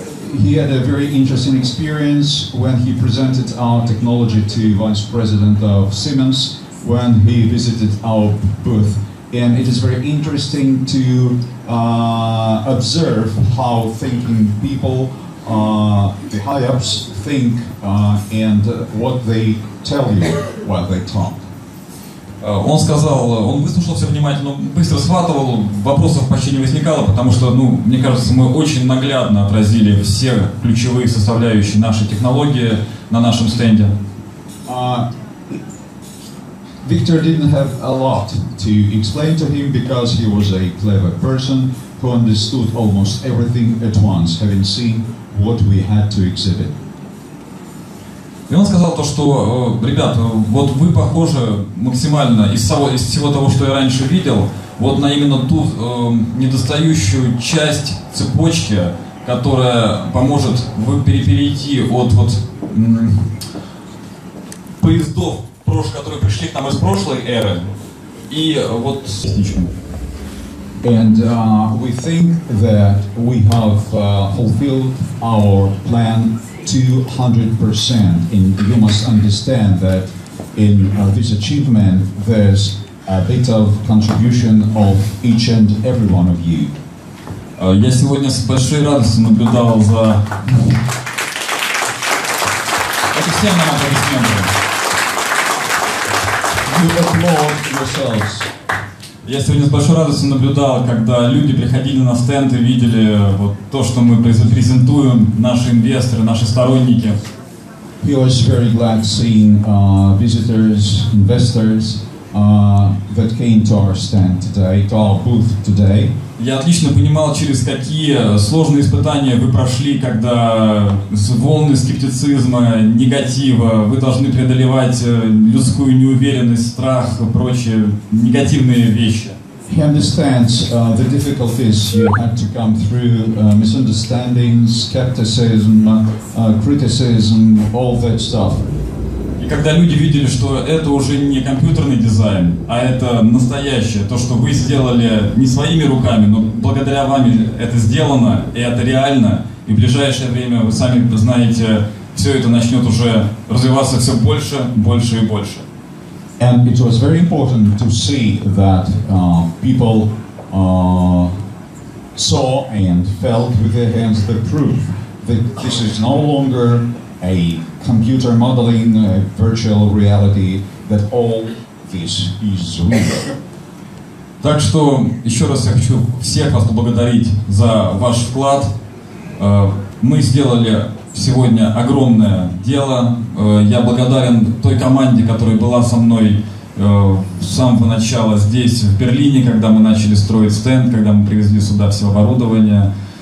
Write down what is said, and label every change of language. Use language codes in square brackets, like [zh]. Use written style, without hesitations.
[en] He had a very interesting experience when he presented our technology to Vice President of Siemens when he visited our booth. And it is very interesting to observe how thinking people, the high-ups, think and what they tell you while they talk. [ru] Он сказал, он выслушал все внимательно, быстро схватывал, вопросов почти не возникало, потому что, ну, мне кажется, мы очень наглядно отразили все ключевые составляющие нашей технологии на нашем стенде. [en] Victor didn't have a lot to explain to him because he was a clever person who understood almost everything at once, having seen what we had to exhibit. [ru] И он сказал то, что, ребят, вот вы похожи максимально из всего того, что я раньше видел, вот на именно ту недостающую часть цепочки, которая поможет перейти от вот поездов, которые пришли к нам из прошлой эры, и вот... [en] And we think that we have fulfilled our plan 200%. And you must understand that in this achievement, there's a bit of contribution of each and every one of you. [ru] Я сегодня с большой радостью наблюдал за этим всем нам аплодисментом. [en] You applaud yourselves. [ru] Я сегодня с большой радостью наблюдал, когда люди приходили на стенд и видели вот то, что мы презентуем, наши инвесторы, наши сторонники. [en] He was very glad seeing visitors, investors that came to our stand today, to our booth today. [ru] Я отлично понимал, через какие сложные испытания вы прошли, когда с волны скептицизма, негатива, вы должны преодолевать людскую неуверенность, страх и прочие негативные вещи. [en] He understands the difficulties you had to come through, misunderstandings, skepticism, criticism, all that stuff. [ru] И когда люди видели, что это уже не компьютерный дизайн, а это настоящее, то, что вы сделали не своими руками, но благодаря вам это сделано, и это реально, и в ближайшее время, вы сами знаете, все это начнет уже развиваться все больше, больше и больше. [en] And it was very important to see that people saw and felt with their hands the proof that this is no longer a computer modeling, a virtual reality, that all this is real. [ru] Так что еще раз я хочу всех вас поблагодарить за ваш вклад. Мы сделали сегодня огромное дело. Я благодарен той команде, которая была со мной с самого начала здесь, в Берлине, когда мы начали строить стенд, когда мы привезли сюда все оборудование.